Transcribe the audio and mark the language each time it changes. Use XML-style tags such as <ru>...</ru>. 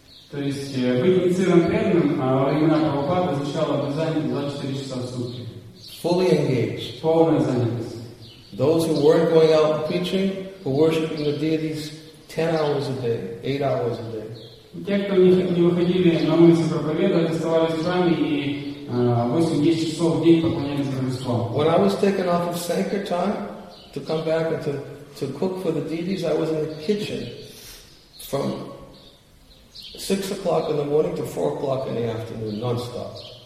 <ru>То есть быть инициированным преданным, а во времена Прабхупады означало обязание 24 часа в сутки.</ru> <en>Fully engaged.</en> <ru>Полная занятость.</ru> <en>Those who weren't going out preaching were worshiping the deities 10 hours a day, 8 hours a day.</en> <ru>Те, кто не выходили на улицу проповедовать, оставались в храме и 8-10 часов в день поклонялись Божеству.</ru> <en>When I was taken off of sankirtan to come back and to cook for the deities, I was in the kitchen from 6 o'clock in the morning to 4 o'clock in the afternoon, non-stop.</en>